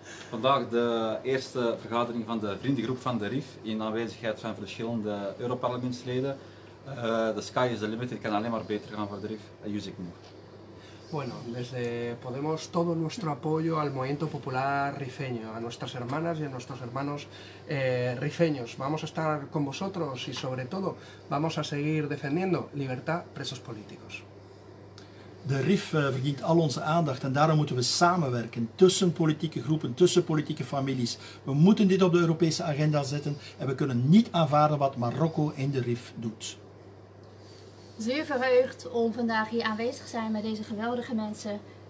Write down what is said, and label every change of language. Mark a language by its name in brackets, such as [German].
[Dutch] Vandaag de eerste vergadering van de vriendengroep van de RIF in aanwezigheid van verschillende Europarlementsleden. [English] The sky is the limit, it can only be better for the RIF. Yusik Moore. [Spanish] Bueno, desde Podemos todo nuestro apoyo al movimiento popular rifeño, a nuestras hermanas y a nuestros hermanos rifeños. Vamos a estar con vosotros y sobre todo vamos a seguir defendiendo libertad presos políticos. [Dutch] De RIF verdient al onze aandacht en daarom moeten we samenwerken tussen politieke groepen, tussen politieke families. We moeten dit op de Europese agenda zetten en we kunnen niet aanvaarden wat Marokko in de RIF doet. Zeer verheugd om vandaag hier aanwezig te zijn met deze geweldige mensen.